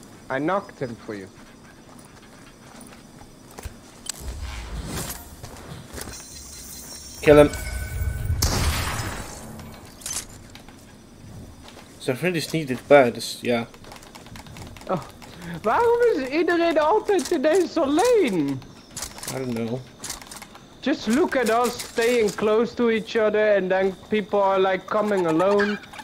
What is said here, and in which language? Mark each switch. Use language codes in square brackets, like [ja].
[en] I knocked him for you. Kill him. So I really need it bad, this, yeah. Oh. [nl] Waarom is iedereen altijd ineens alleen? [en] I don't know. Just look at us staying close to each other and then people are like coming alone.